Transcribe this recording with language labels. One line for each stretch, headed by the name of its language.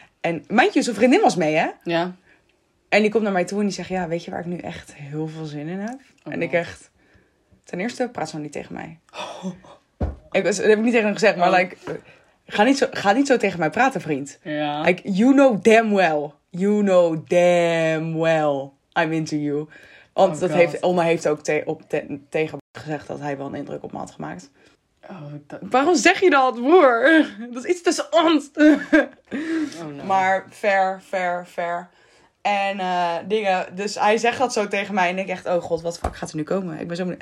Dutch: En
English: mind you,
Dutch: zijn vriendin was mee, hè? Ja. En die komt naar mij toe en die zegt, ja, weet je waar ik nu echt heel veel zin in heb? Oh, en ik echt... Ten eerste, praat zo niet tegen mij. Dat heb ik niet tegen hem gezegd, maar like... Ga niet zo tegen mij praten, vriend. Ja.
English: Like, you know damn well. You know damn well I'm into you.
Dutch: Want Onna heeft ook tegen gezegd dat hij wel een indruk op me had gemaakt. Waarom zeg je dat, broer? Dat is iets tussen ons.
English: Oh, no.
Dutch: Maar fair. En dingen. Dus hij zegt dat zo tegen mij. En ik echt, oh god, wat fuck gaat er nu komen? Ik ben zo benieuwd.